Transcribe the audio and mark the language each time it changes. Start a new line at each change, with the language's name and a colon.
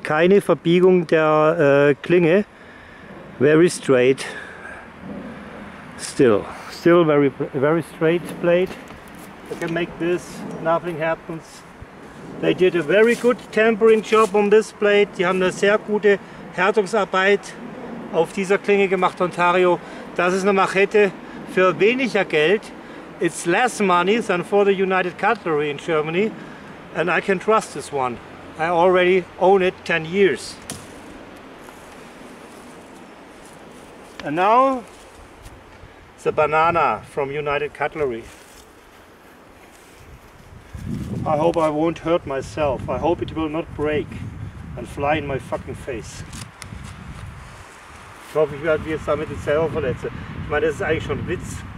German: Keine Verbiegung der Klinge. Very straight. Still.
English: Still very, very straight blade. I can make this. Nothing happens. They did a very good tempering job on this blade.
German: Die haben eine sehr gute Härtungsarbeit auf dieser Klinge gemacht, Ontario. Das ist eine Machete für weniger Geld.
English: It's less money than for the United Cutlery in Germany. And I can trust this one. I already own it 10 years. And now, the banana from United Cutlery. I hope I won't hurt myself. I hope it will not break and fly in my fucking face.
German: Ich hoffe, ich werde jetzt damit nicht selber verletzen. Ich meine, das ist eigentlich schon ein Witz.